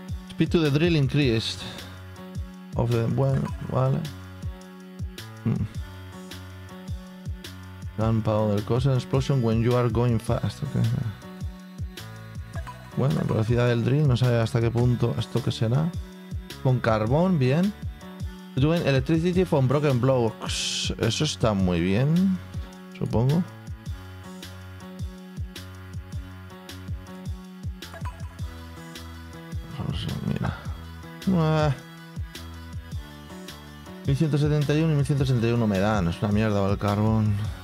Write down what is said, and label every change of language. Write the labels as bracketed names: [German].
[English] Speed to the drill increased. Of the... [Spanish] Bueno, vale. [English] Gunpowder, cause an explosion when you are going fast. Okay. [Spanish] Bueno, velocidad del drill, no sabe hasta qué punto esto que será. Con carbón, bien. [English] Doing electricity from broken blocks. [Spanish] Eso está muy bien, supongo. Mira. 1171 y 1161 me dan, es una mierda el carbón.